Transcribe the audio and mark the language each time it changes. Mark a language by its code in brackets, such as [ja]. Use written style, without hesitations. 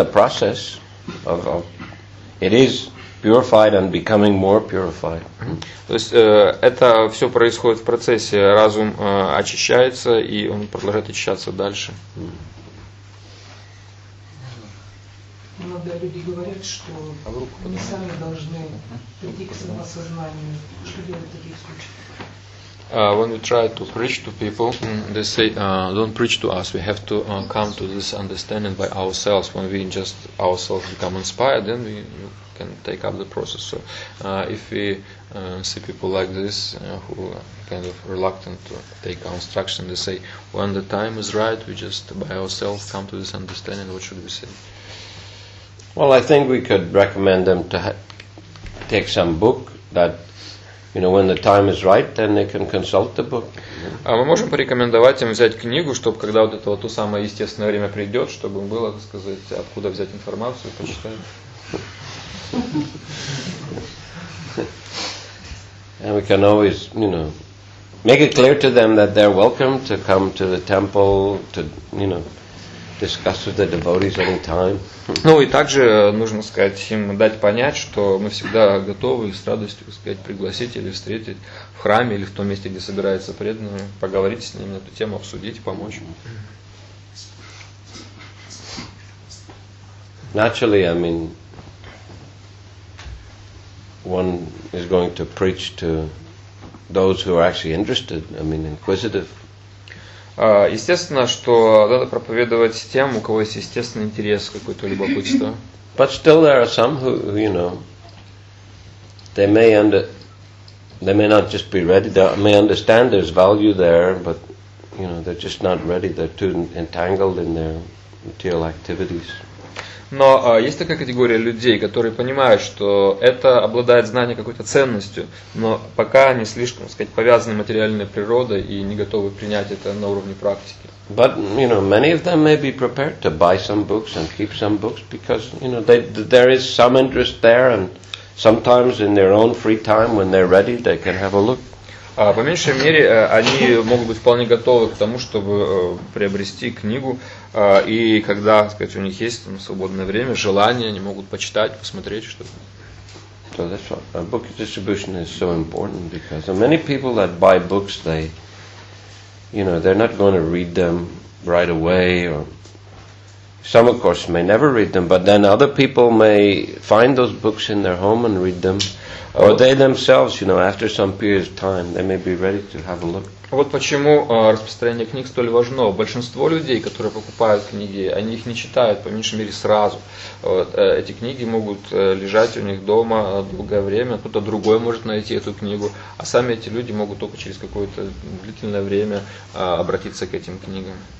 [en] At least in the process of it is purified and becoming more purified. [ru] То есть это все происходит в процессе. Разум очищается, и он продолжает очищаться дальше. Иногда люди говорят, что они сами должны прийти к самосознанию. Что делать в таких случаях? [en] When we try to preach to people, they say, don't preach to us, we have to come to this understanding by ourselves. When we just ourselves become inspired, then we can take up the process. So if we see people like this, who are kind of reluctant to take our instruction, they say, when the time is right, we just by ourselves come to this understanding, what should we say? Well, I think we could recommend them to take some book that, you know, when the time is right, then they can consult the book. [ru] Мы можем порекомендовать им взять книгу, чтобы когда вот это вот то самое естественное время придет, чтобы было, так сказать, откуда взять информацию, почитать. [en] And we can always, you know, make it clear to them that they're welcome to come to the temple to, you know, discuss with the devotees anytime. [ru] Ну и также нужно сказать им, дать понять, что мы всегда готовы с радостью, сказать, пригласить или встретить в храме или в том месте, где собирается преданный, поговорить с ним на эту тему, обсудить, помочь. [en] Naturally, I mean, one is going to preach to those who are actually interested, I mean, inquisitive. [ru] Естественно, что надо проповедовать тем, у кого есть естественный интерес, какое-то любопытство. [en] But still there are some who, you know, they may not just be ready, they may understand there's value there, but, you know, they're just not ready, they're too entangled in their material activities. [ru] Но есть такая категория людей, которые понимают, что это обладает знанием какой-то ценностью, но пока они слишком, так сказать, повязаны материальной природой и не готовы принять это на уровне практики. [en] But, you know, many of them may be prepared to buy some books and keep some books because, you know, there is some interest there, and sometimes in their own free time when they're ready they can have a look. [ru] А по меньшей мере, они могут быть вполне готовы к тому, чтобы приобрести книгу. И когда, так сказать, у них есть там свободное время, желание, они могут почитать, посмотреть что-то. [en] So that's why book distribution is so important, because many people that buy books, they, you know, they're not going to read them right away. Or some, of course, may never read them, but then other people may find those books in their home and read them. Or they themselves, you know, after some period of time, they may be ready to have a look. [ru] Вот почему распространение книг столь важно. Большинство людей, которые покупают книги, они их не читают, по меньшей мере, сразу. Вот, эти книги могут лежать у них дома долгое время, кто-то другой может найти эту книгу, а сами эти люди могут только через какое-то длительное время обратиться к этим книгам.